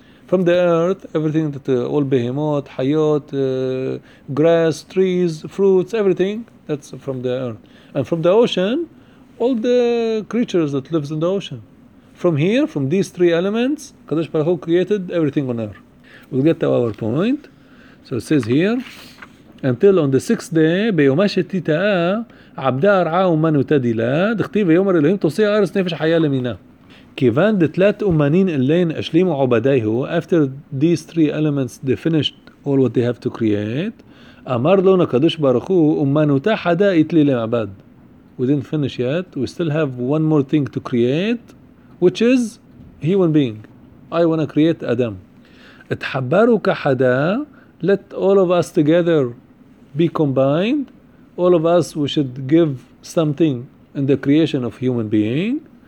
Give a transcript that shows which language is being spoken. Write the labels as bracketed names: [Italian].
[English] From the earth, everything that all behemoth, hayot, grass, trees, fruits, everything, that's from the earth. And from the ocean, all the creatures that live in the ocean. From here, from these three elements, Kadosh Baruch Hu created everything on earth. We'll get to our point. So it says here, until on the sixth day, [Aramaic] ביומה שתיתאה, עבדה הרעה אומנותה דילה, דכתיב ויאמר אלוהים, תוסי הארץ נפש חיה למינה. כיוון דתלת אומנין אלין אשלימו עובדיהו, [English] after these three elements, they finished all what they have to create, [Aramaic] אמר לו הקדוש ברוך הוא, אומנותה חדה איתלי למעבד. [English] We didn't finish yet, we still have one more thing to create, which is human being. I want to create Adam. [Aramaic] אתחברו כחדה, [English] let all of us together be combined. All of us, we should give something in the creation of human being.